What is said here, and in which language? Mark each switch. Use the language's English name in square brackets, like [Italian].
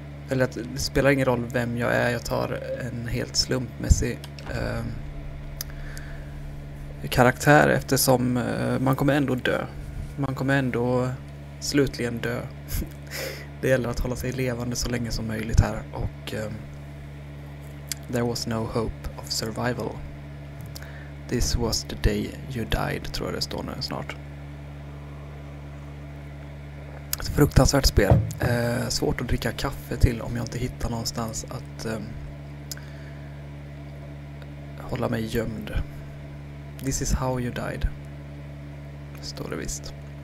[Swedish] Eller att det spelar ingen roll vem jag är, jag tar en helt slumpmässig karaktär, eftersom man kommer ändå dö. Man kommer ändå slutligen dö. Det gäller att hålla sig levande så länge som möjligt här. Och [English] there was no hope of survival. This was the day you died, [Swedish] tror jag det står nu snart. Fruktansvärt spel. Svårt att dricka kaffe till om jag inte hittar någonstans att hålla mig gömd. [English] This is how you died. [Swedish] Står det visst.